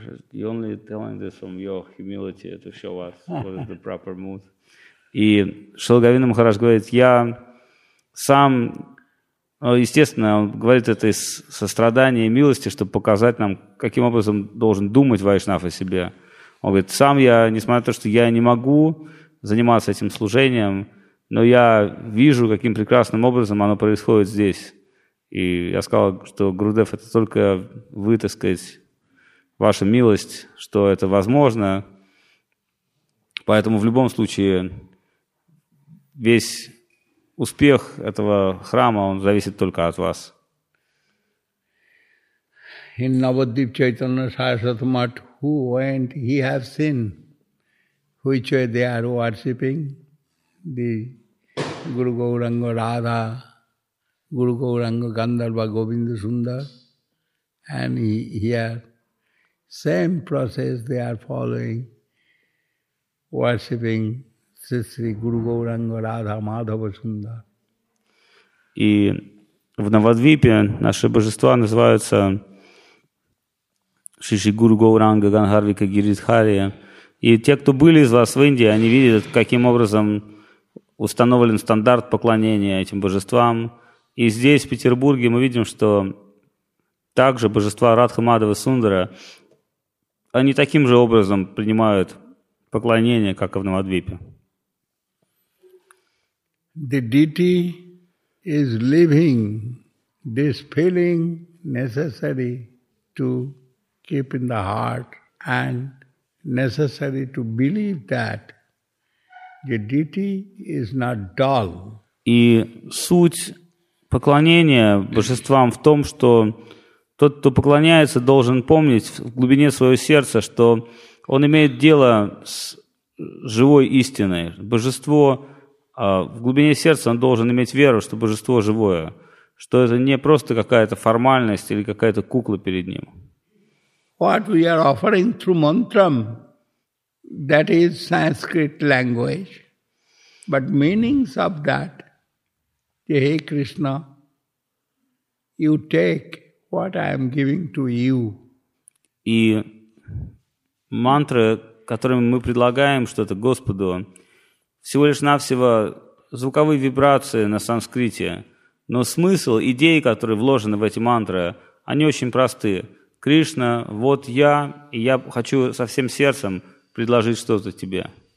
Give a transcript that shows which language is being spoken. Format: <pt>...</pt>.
<en>You're only telling this from your humility to show us what is the proper mood.</en> <ru>И Шрила Говинда Махарадж говорит, я сам, естественно, он говорит это из сострадания и милости, чтобы показать нам, каким образом должен думать вайшнав о себе. Он говорит, сам я, несмотря на то, что я не могу заниматься этим служением, но я вижу, каким прекрасным образом оно происходит здесь. И я сказал, что Гурудев, это только вы, так сказать, ваша милость, что это возможно. Поэтому в любом случае весь успех этого храма, он зависит только от вас.</ru> <en>In Navadvip Chaitanya Sarasvata Math, who went, he has seen which way they are worshipping the Guru Gauranga Radha, Guru Gauranga Gandharva Govinda Sundar, and here same process they are following, worshipping Sri Guru Gauranga Radha Madhava Sundar.</en> <ru>И в Навадвипе наши божества называются Шри Гуру Гауранга Гангарвика Гиридхари. И те, кто были из вас в Индии, они видят, каким образом установлен стандарт поклонения этим божествам. И здесь, в Петербурге, мы видим, что также божества Радха Мадхава Сундара, они таким же образом принимают поклонение, как и в Навадвипе.</ru> <en>The deity is living this feeling necessary to keep in the heart and necessary to believe that the deity is not dull.</en> <ru>И суть поклонения божествам в том, что тот, кто поклоняется, должен помнить в глубине своего сердца, что он имеет дело с живой истиной. Божество в глубине сердца, он должен иметь веру, что божество живое, что это не просто какая-то формальность или какая-то кукла перед ним.</ru> <en>What we are offering through mantram, that is Sanskrit language, but meanings of that, hey Krishna, you take what I am giving to you.</en> <ru>И мантры, которыми мы предлагаем что-то Господу, всего лишь навсего звуковые вибрации на санскрите, но смысл, идеи, которые вложены в эти мантры, они очень просты. Кришна, вот я, и я хочу со всем сердцем предложить что-то тебе.</ru>